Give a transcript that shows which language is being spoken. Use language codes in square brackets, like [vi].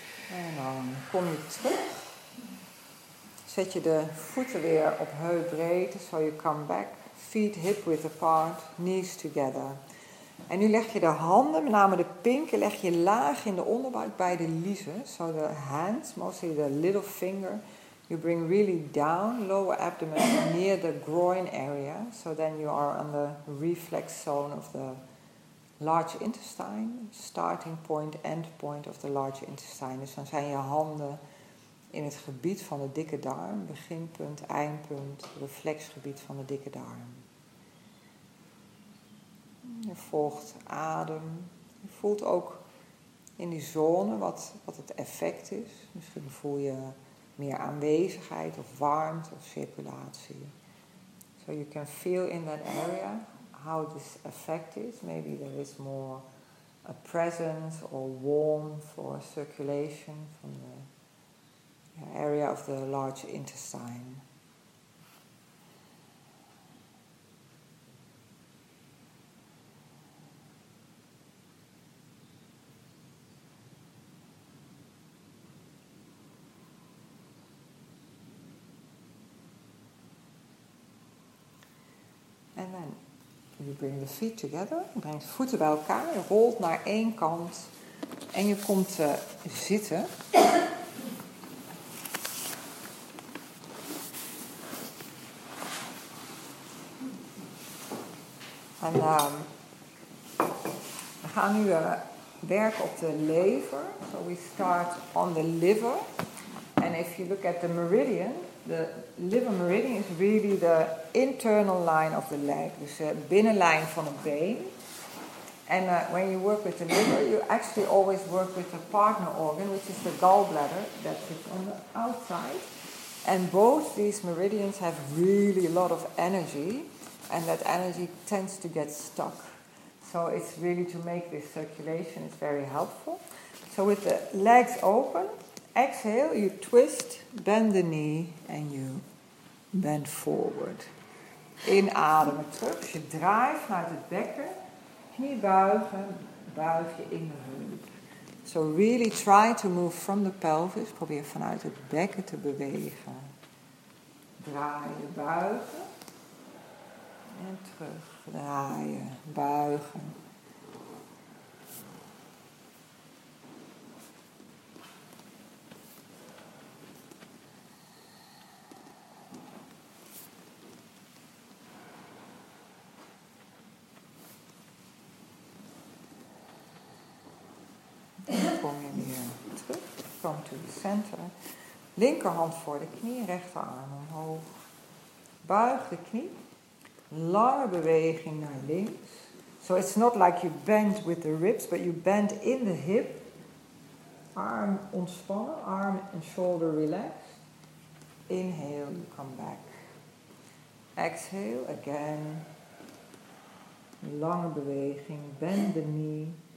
[nl] En dan kom je terug. Zet je de voeten weer op heupbreedte, [en] so you come back. Feet hip width apart, knees together. [nl] En nu leg je de handen, met name de pinken, leg je laag in de onderbuik bij de liezen. [en] So the hands, mostly the little finger. You bring really down, lower abdomen, near the groin area. So then you are on the reflex zone of the large intestine. Starting point, end point of the large intestine. [nl] Dus dan zijn je handen in het gebied van de dikke darm, beginpunt, eindpunt, reflexgebied van de dikke darm. Je volgt adem. Je voelt ook in die zone wat het effect is. Misschien voel je meer aanwezigheid of warmte of circulatie. [en] So you can feel in that area how this effect is. Maybe there is more a presence or warmth or circulation from the area of the large intestine. And then you bring the feet together. [nl] Je brengt de voeten bij elkaar. Je rolt naar één kant. En je komt te zitten. En we gaan nu werken op de lever. [en] So we start on the liver. And if you look at the liver meridian is really the internal line of the leg. [nl] Dus de binnenlijn van het been. [en] And when you work with the liver, you actually always work with the partner organ, which is the gallbladder that sits on the outside. And both these meridians have really a lot of energy. And that energy tends to get stuck. So it's really to make this circulation, it's very helpful. So with the legs open, exhale, you twist, bend the knee, and you bend forward. [nl] Inademen terug, je draait vanuit het bekken, knie buigen, buig je in de heup. [en] So really try to move from the pelvis, [nl] probeer vanuit het bekken te bewegen. Draai je buigen. En terug, draaien, buigen. Dan kom je weer terug, [en] come to the center. [nl] Linkerhand voor de knie, rechterarm omhoog. Buig de knie. Lange beweging naar links. [en] So it's not like you bend with the ribs, but you bend in the hip. [nl] Arm ontspannen, [en] arm and shoulder relaxed. Inhale, you come back. Exhale again. [nl] Lange beweging, [en] bend the knee.